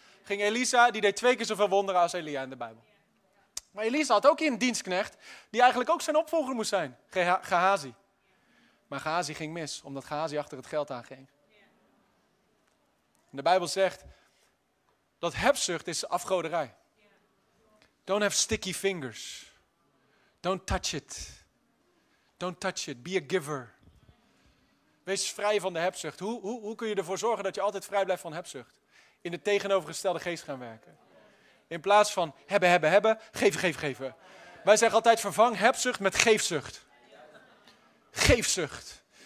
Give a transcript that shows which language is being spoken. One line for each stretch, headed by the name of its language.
Dutch: Ging Elisa, die deed 2 keer zoveel wonderen als Elia in de Bijbel. Maar Elisa had ook hier een dienstknecht die eigenlijk ook zijn opvolger moest zijn, Gehazi. Maar Gehazi ging mis, omdat Gehazi achter het geld aanging. De Bijbel zegt dat hebzucht is afgoderij.
English: Don't have sticky fingers. Don't touch it. Don't touch it. Be a giver.
Dutch: Wees vrij van de hebzucht. Hoe kun je ervoor zorgen dat je altijd vrij blijft van hebzucht? In de tegenovergestelde geest gaan werken. In plaats van hebben, hebben, hebben, geven, geven, geven. Wij zeggen altijd vervang hebzucht met geefzucht. Geefzucht.